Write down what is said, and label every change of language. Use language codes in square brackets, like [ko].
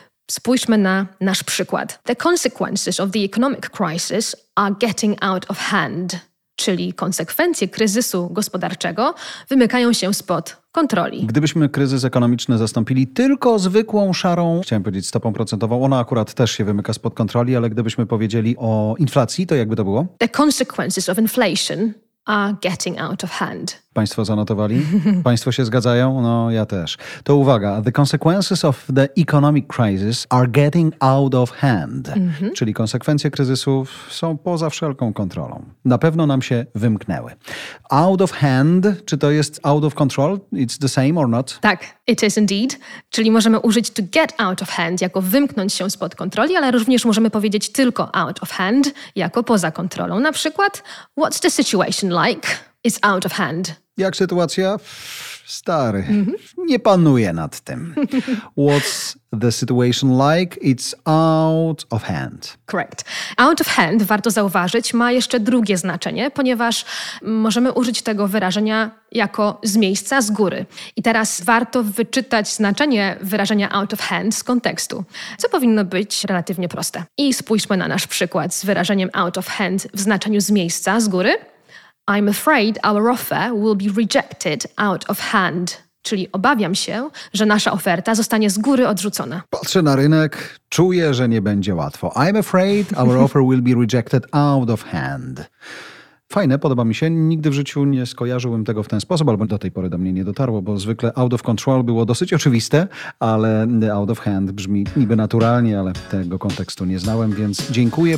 [pl] Spójrzmy na nasz przykład. [en] The consequences of the economic crisis are getting out of hand, [pl] czyli konsekwencje kryzysu gospodarczego wymykają się spod kontroli. Gdybyśmy kryzys ekonomiczny zastąpili tylko zwykłą szarą, chciałem powiedzieć stopą procentową, ona akurat też się wymyka spod kontroli, ale gdybyśmy powiedzieli o inflacji, to jakby to było? [en] The consequences of inflation are getting out of hand. [pl] Państwo zanotowali? Państwo się zgadzają? No, ja też. To uwaga, [en] the consequences of the economic crisis are getting out of hand. Mm-hmm. [pl] Czyli konsekwencje kryzysów są poza wszelką kontrolą. Na pewno nam się wymknęły. [en] Out of hand, [pl] czy to jest [en] out of control? It's the same or not? [pl] Tak, [en] it is indeed. [pl] Czyli możemy użyć to get out of hand jako wymknąć się spod kontroli, ale również możemy powiedzieć tylko out of hand jako poza kontrolą. Na przykład, [en] what's the situation like? It's out of hand. [pl] Jak sytuacja? Stary, nie panuje nad tym. [en] What's the situation like? It's out of hand. Correct. [pl] Out of hand, warto zauważyć, ma jeszcze drugie znaczenie, ponieważ możemy użyć tego wyrażenia jako z miejsca, z góry. I teraz warto wyczytać znaczenie wyrażenia out of hand z kontekstu, co powinno być relatywnie proste. I spójrzmy na nasz przykład z wyrażeniem out of hand w znaczeniu z miejsca, z góry. [en] I'm afraid our offer will be rejected out of hand. [pl] Czyli obawiam się, że nasza oferta zostanie z góry odrzucona. Patrzę na rynek, czuję, że nie będzie łatwo. [en] I'm afraid our offer will be rejected out of hand. [pl] Fajne, podoba mi się. Nigdy w życiu nie skojarzyłbym tego w ten sposób, albo do tej pory do mnie nie dotarło, bo zwykle out of control było dosyć oczywiste, ale out of hand brzmi niby naturalnie, ale tego kontekstu nie znałem, więc dziękuję.